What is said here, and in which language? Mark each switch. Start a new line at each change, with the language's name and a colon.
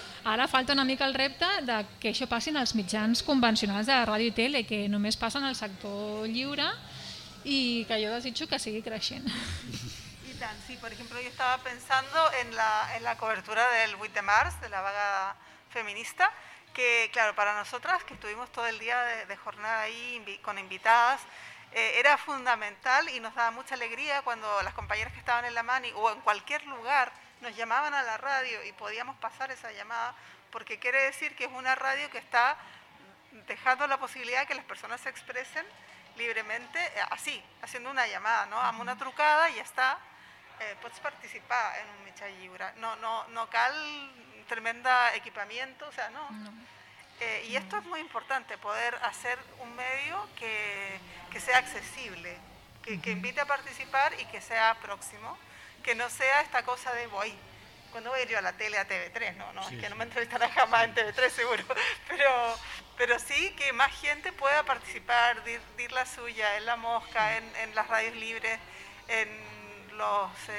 Catalan: Ara falta una mica el repte de que això passi en els mitjans convencionals de ràdio i tele, que només passa en el sector lliure, i que jo desitjo que sigui creixent. I tant, sí, per exemple, jo estava pensant en la cobertura del 8 de març, de la vaga feminista,
Spanish: que, claro, para nosotras, que estuvimos todo el día de jornada ahí con invitadas, era fundamental y nos daba mucha alegría cuando las compañeras que estaban en la MANI o en cualquier lugar nos llamaban a la radio y podíamos pasar esa llamada, porque quiere decir que es una radio que está dejando la posibilidad de que las personas se expresen libremente, así, haciendo una llamada, ¿no?
Catalan: Amb una trucada
Spanish: y ya está, puedes participar en un
Catalan: mitjà lliure.
Spanish: No, no,
Catalan: no cal
Spanish: tremenda equipamiento, o sea, no. Y esto es muy importante, poder hacer un medio que sea accesible, que invite a participar y que sea próximo. Que no sea esta cosa de voy, ¿cuándo voy a ir yo a la tele, a TV3? No, no, sí, es que no me entrevistarán jamás en TV3, seguro. Pero sí que más gente pueda participar, dir la suya en La Mosca, en las radios libres, en los.